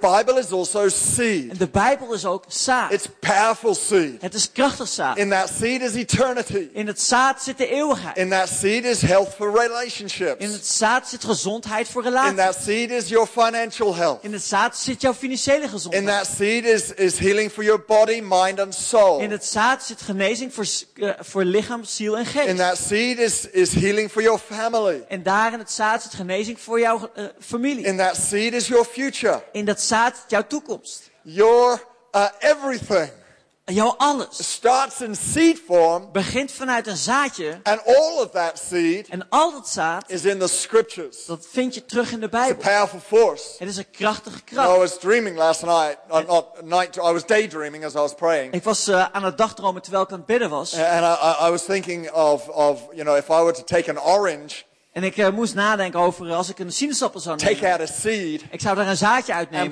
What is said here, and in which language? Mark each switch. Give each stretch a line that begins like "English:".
English: The Bible is also seed.
Dutch: En de Bijbel is ook zaad.
English: It's powerful seed.
Dutch: Het is krachtig zaad.
English: In that seed is eternity.
Dutch: In het zaad zit de eeuwigheid.
English: In that seed is health for relationships.
Dutch: In het zaad zit gezondheid voor relaties.
English: In that seed is your financial health.
Dutch: In het zaad zit jouw financiële gezondheid.
English: In that seed is healing for your body, mind and soul.
Dutch: In het zaad zit genezing voor lichaam, ziel en geest.
English: In that seed is healing for your family.
Dutch: En daar in het zaad zit genezing voor jouw familie.
English: In that seed is your future.
Dutch: In dat zaad zit jouw toekomst.
English: Your everything.
Dutch: Jouw alles.
English: Starts in seed form.
Dutch: Begint vanuit een zaadje.
English: And all of that seed.
Dutch: En al dat zaad.
English: Is in the scriptures.
Dutch: Dat vind je terug in de Bijbel.
English: It's a powerful force.
Dutch: Het is een krachtige kracht.
English: I was dreaming last night. I was daydreaming as I was praying.
Dutch: Ik was aan het dagdromen terwijl ik aan het bidden was.
English: And I was thinking of you know, if I were to take an orange.
Dutch: En ik moest nadenken over als ik een sinaasappel zou nemen.
English: Take out a seed.
Dutch: Ik zou daar een zaadje uitnemen.